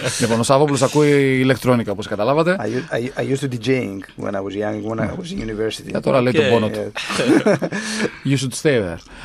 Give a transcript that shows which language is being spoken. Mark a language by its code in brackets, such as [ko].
[el] Λοιπόν, ο Σαββόπουλος ακούει ηλεκτρόνικα, όπως καταλάβατε. [en] I used to DJing when I was young, when I was in university. [el] Για τώρα λέει τον πόνο του. [en] You should stay there.